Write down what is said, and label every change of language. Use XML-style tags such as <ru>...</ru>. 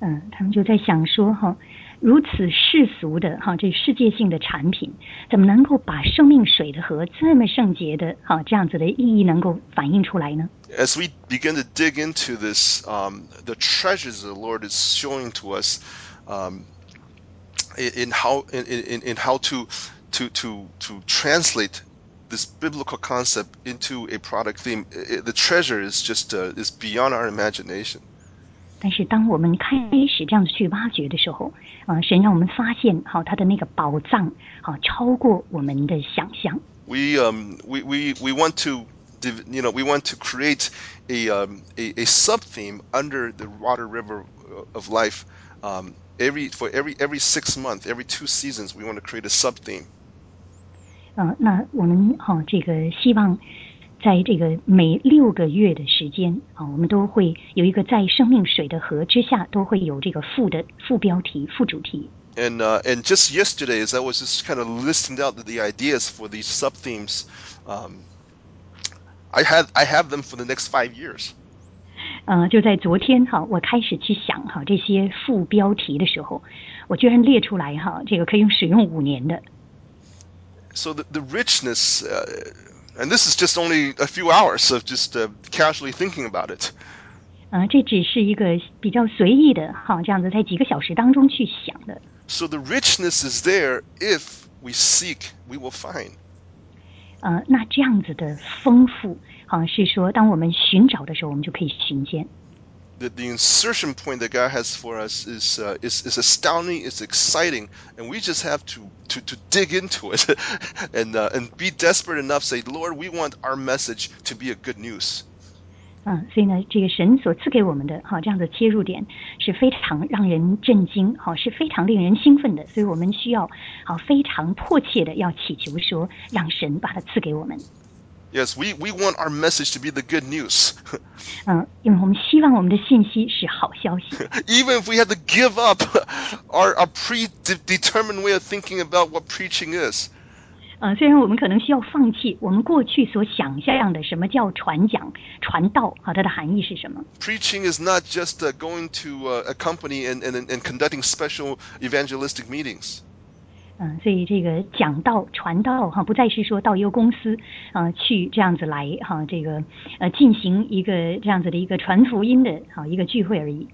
<zh>他们就在想说哈，如此世俗的哈这世界性的产品，怎么能够把生命水的河这么圣洁的哈这样子的意义能够反映出来呢？</zh> <en>As we begin to dig into this, the treasures the Lord is showing to us, in how to translate this biblical concept into a product theme, the treasure is just is beyond our imagination.</en> <zh>但是当我们开始这样子去挖掘的时候，神让我们发现，好，他的那个宝藏，好，超过我们的想象。</zh> <en>We want to create a sub theme under the water river of life. Every 6 months, every 2 seasons, we want to create a sub theme.</en> <zh>那我们哈这个希望，在这个每六个月的时间啊，我们都会有一个在生命水的河之下，都会有这个副标题、副主题。</zh> <en>And just yesterday, as I was just kind of listing out the ideas for these sub themes, I have them for the next 5 years.</en> <zh>就在昨天哈，我开始去想哈这些副标题的时候，我居然列出来哈，这个可以用使用5年的。</zh> <en>So the richness, and this is just only a few hours of just casually thinking about it.</en> <zh>这只是一个比较随意的哈，这样子在几个小时当中去想的。</zh> <en>So the richness is there. If we seek, we will find.</en> <zh>那这样子的丰富，是说当我们寻找的时候，我们就可以寻见。</zh> <en>The insertion point that God has for us is astounding, it's exciting, and we just have to dig into it and be desperate enough. Say, Lord, we want our message to be a good news.</en> <zh>所以呢，这个神所赐给我们的哈这样的切入点是非常让人震惊，是非常令人兴奋的。所以我们需要非常迫切的要祈求说，让神把它赐给我们。</zh> <en>Yes, we want our message to be the good news.</en> <zh>因为我们希望我们的信息是好消息。</zh> <en>Even if we had to give up our predetermined way of thinking about what preaching is.</en> <zh>虽然我们可能需要放弃我们过去所想象的什么叫传讲、传道，它的含义是什么</zh> <en>？Preaching is not just going to a company and conducting special evangelistic meetings.</en> <zh>所以这个讲道、传道哈，不再是说到一个公司啊去这样子来哈，这个进行一个这样子的一个传福音的哈一个聚会而已。</zh>